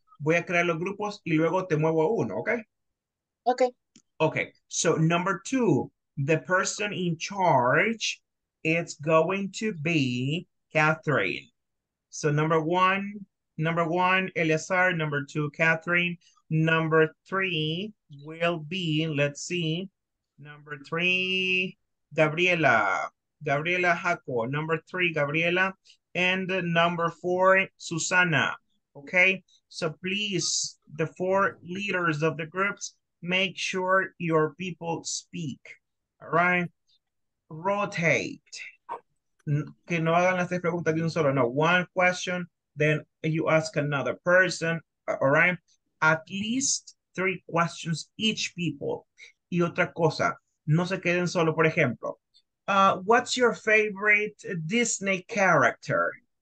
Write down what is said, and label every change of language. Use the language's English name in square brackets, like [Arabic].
[Spanish] Voy a crear los grupos y luego te muevo a uno, ¿okay? [English] Okay. So number two, the person in charge, it's going to be Catherine. So number one, Eliazar, number two, Catherine. Number three will be, let's see, number three, Gabriela Jaco. Number three, Gabriela. And number four, Susana. Okay, so please, the four leaders of the groups, make sure your people speak, all right? Rotate. [Spanish] Que no hagan las 3 preguntas de un solo, no. [English] One question, then you ask another person, all right? At least 3 questions each people. [Spanish] Y otra cosa, no se queden solo, por ejemplo. [English] What's your favorite Disney character?